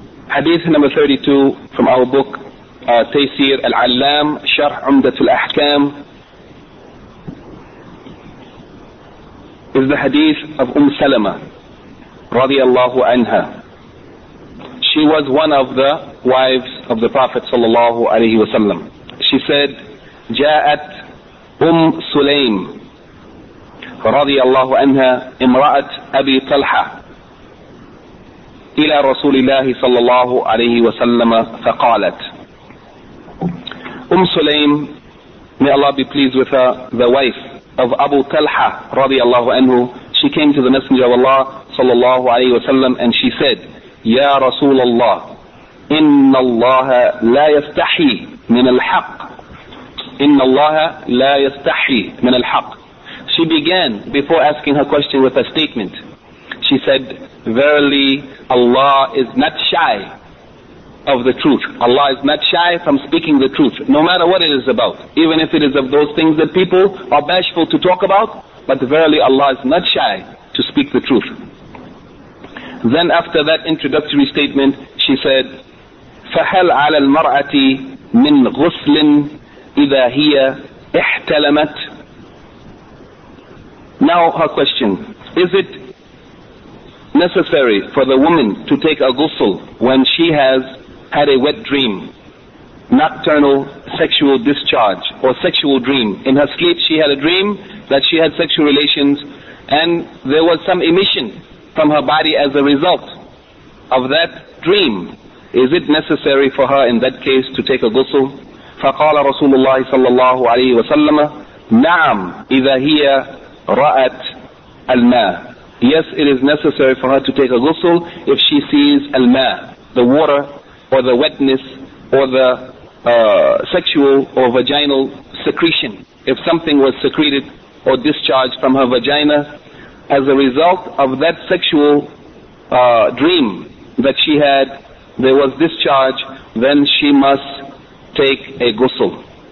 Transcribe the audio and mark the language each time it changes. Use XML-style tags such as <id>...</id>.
<en>Hadith number 32 from our book, Taysir Al-Allam, Sharh Umdatul Ahkam, is the hadith of Salama, radiallahu anha. She was one of the wives of the Prophet sallallahu alayhi wa sallam. She said,</en> <ar>جاءت سليم رضي الله عنها امرأة أبي طلحة إلى رسول الله صلى الله عليه وسلم فقالت</ar> <en>سليم, may Allah be pleased with her, the wife of Abu Talha</en> <ar>رضي الله عنه,</ar> <en>she came to the Messenger of Allah</en> <ar>صلى الله عليه وسلم</ar> <en>and she said,</en> <ar>يا رسول الله إن الله لا يستحي من الحق. إِنَّ اللَّهَ لَا يَسْتَحْيِي مِنَ الْحَقِّ.</ar> <en>She began before asking her question with a statement. She said, verily Allah is not shy of the truth. Allah is not shy from speaking the truth, no matter what it is about. Even if it is of those things that people are bashful to talk about, but verily Allah is not shy to speak the truth. Then after that introductory statement, she said,</en> <ar>فَهَلْ عَلَى الْمَرْأَةِ مِنْ غُسْلٍ إِذَا هِيَ إِحْتَلَمَتْ.</ar> <en>Now her question, is it necessary for the woman to take a ghusl when she has had a wet dream, nocturnal sexual discharge or sexual dream? In her sleep she had a dream that she had sexual relations and there was some emission from her body as a result of that dream. Is it necessary for her in that case to take a ghusl?</en> <ar>فقال رسول الله صلى الله عليه وسلم نعم إذا هي رأت الماء.</ar> <en>Yes, it is necessary for her to take a ghusl if she sees الماء, the water or the wetness or the sexual or vaginal secretion. If something was secreted or discharged from her vagina as a result of that sexual dream that she had, there was discharge, then she must take a ghusl.</en>